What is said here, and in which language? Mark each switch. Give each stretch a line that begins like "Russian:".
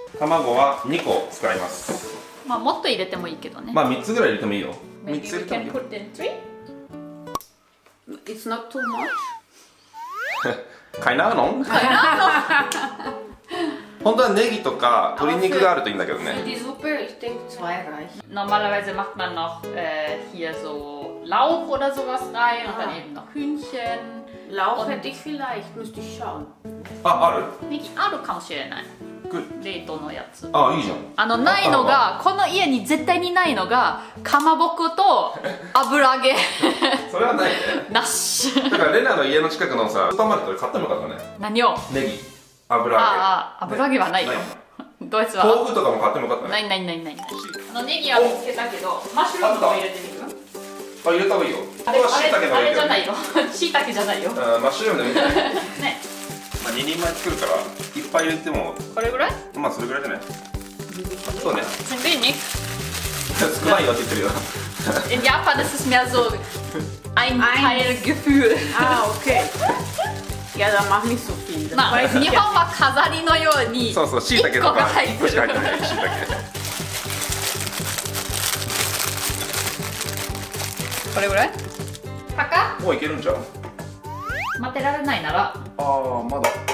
Japanese: 卵は2個使います。まあもっと入れてもいいけどね。まあ3つぐらい入れてもいいよ。 3つ入れてもいいよ。
English: It's not too much. カイナーノン、カイナーノン。
Japanese: 本当はネギとか鶏肉があるといいんだけどね。
German: Die Suppe, ich denke, zwei reichen. Normalerweise macht man noch hier so Lauch oder sowas rein. Und dann eben noch Hühnchen. Lauch hätte ich vielleicht, müsste ich schauen.
Japanese: Ah, ある? ネギあるかもしれない。
English: Good.
Japanese: 冷凍のやつ。ああ、いいじゃん。あの、ないのが、この家に絶対にないのが、かまぼこと油揚げ。それはないね。なし。だからレナの家の近くのさ、スーパーマーケットで買ってもよかったね。何を? ネギ。油揚げ。ああ、油揚げはないよ。ドイツは。豆腐とかも買ってもよかったね。ない。あのネギは見つけたけど、マッシュルームも入れてみる? あ、入れた方がいいよ。あれ、椎茸もいいよ。あれじゃないよ。椎茸じゃないよ。マッシュルームでもいいんじゃない? ね。まあ、2人前作るから、いっぱい入れても。これぐらい? まあ、それぐらいじゃない。そうね。すげえね。少ないよって言ってるよ。
German: In Japan ist es mehr so ein Teilgefühl. Ah, okay. Ja, dann mach nicht so viel. Na, weil
Japanese: 日本は飾りのように1個が入ってる。そうそう、椎茸とか1個しか入ってない、椎茸。これぐらい?パカ? もういけるんじゃん。待てられないなら。ああ、まだ。